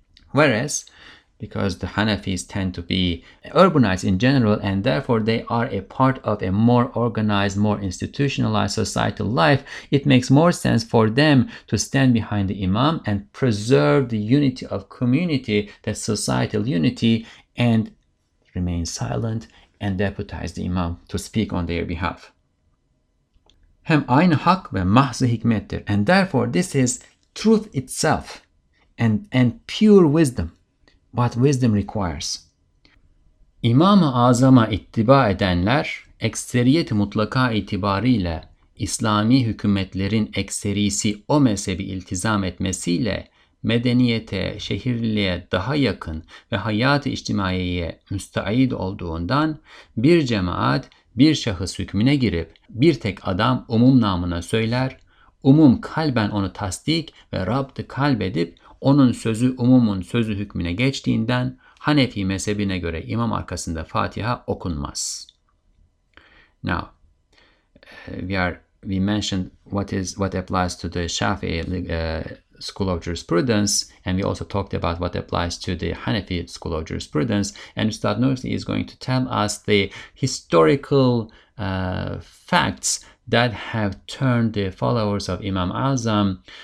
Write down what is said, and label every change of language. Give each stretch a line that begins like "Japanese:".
English: Whereas, because the Hanafis tend to be urbanized in general, and therefore they are a part of a more organized, more institutionalized societal life, it makes more sense for them to stand behind the Imam and preserve the unity of community, that societal unity, and remain silent and deputize the Imam to speak on their behalf.
Turkish: Hem aynı hak ve mahz-ı hikmettir.
English: And therefore this is truth itself and pure wisdom. What wisdom requires.
Turkish: İmam-ı Azam'a ittiba edenler, ekseriyet-i mutlaka itibariyle İslami hükümetlerin ekserisi o mezhebi iltizam etmesiyle medeniyete, şehirliğe daha yakın ve hayat-ı içtimaiyeye müstaid olduğundan bir cemaat, bir şahıs hükmüne girip bir tek adam umum namına söyler, umum kalben onu tasdik ve rabd-ı kalbedip onun sözü umumun sözü hükmüne geçtiğinden Hanefi mezhebine göre imam arkasında Fatiha okunmaz.
English: Now, we mentioned what applies to the Shafi school of jurisprudence, and we also talked about what applies to the Hanefi school of jurisprudence, and Ustad Nursi is going to tell us the historical facts that have turned the followers of Imam Azam